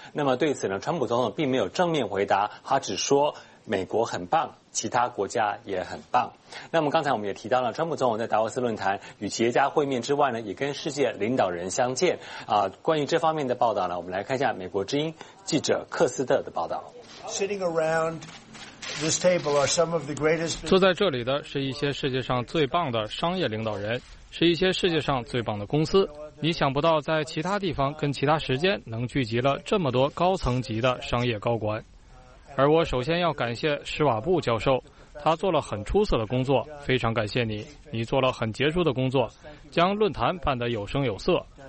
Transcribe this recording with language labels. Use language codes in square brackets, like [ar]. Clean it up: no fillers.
[zh] 那么对此呢，川普总统并没有正面回答，他只说美国很棒，其他国家也很棒。那么刚才我们也提到了，川普总统在达沃斯论坛与企业家会面之外呢，也跟世界领导人相见关于这方面的报道呢，我们来看一下美国之音记者克斯特的报道。 [en] Sitting aroundThis table are some of the greatest. [zh] 坐在这里的是一些世界上最棒的商业领导人，是一些世界上最棒的公司。你想不到在其他地方跟其他时间能聚集了这么多高层级的商业高官。而我首先要感谢施瓦布教授，他做了很出色的工作，非常感谢你，你做了很杰出的工作，将论坛办得有声有色。